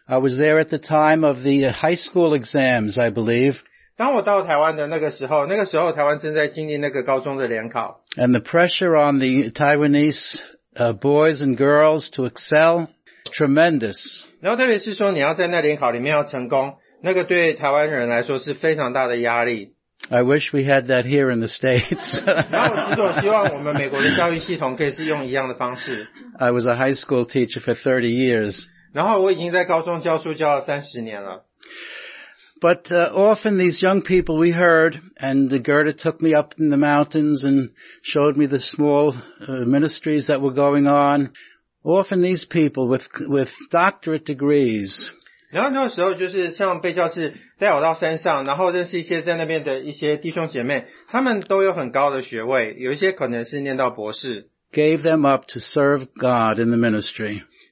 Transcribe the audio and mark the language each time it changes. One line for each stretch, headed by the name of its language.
English: I was there at the time of the high school exams, I believe.
Chinese: 当我到台湾的那个时候，那个时候台湾正在经历那个高中的联考。
English: And the pressure on the Taiwanese boys and girls to excel is tremendous.
Chinese: 然后特别是说你要在那联考里面要成功，那个对台湾人来说是非常大的压力。
English: I wish we had that here in the States.
Chinese: 然后我希望我们美国的教育系统可以是用一样的方式。
English: I was a high school teacher for 30 years.
Chinese: 然后我已经在高中教书教了30年了。
English: But often these young people we heard, and Gerda took me up in the mountains and showed me the small ministries that were going on. Often these people with doctorate degrees...
Chinese: 然后那个时候就是像贝教士带我到山上，然后认识一些在那边的一些弟兄姐妹，他们都有很高的学位，有一些可能是念到博士。
English: Gave them up to serve God in the ministry.